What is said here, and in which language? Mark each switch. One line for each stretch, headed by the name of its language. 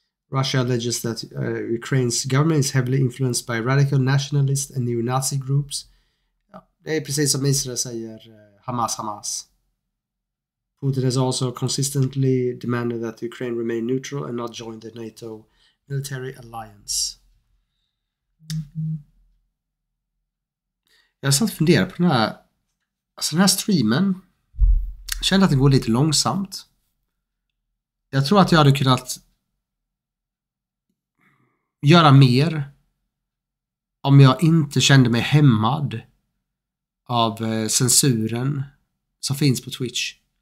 English: Russia alleges that Ukraine's government is heavily influenced by radical nationalist and neo-Nazi groups.
Swedish: Ja, det är precis som Israel säger, Hamas, Hamas.
English: Putin has also consistently demanded that Ukraine remain neutral and not join the NATO military alliance.
Swedish: Mm-hmm. Jag har satt och funderat på den här, alltså den här streamen. Jag kände att den går lite långsamt. Jag tror att jag hade kunnat göra mer om jag inte kände mig hämmad av censuren som finns på Twitch.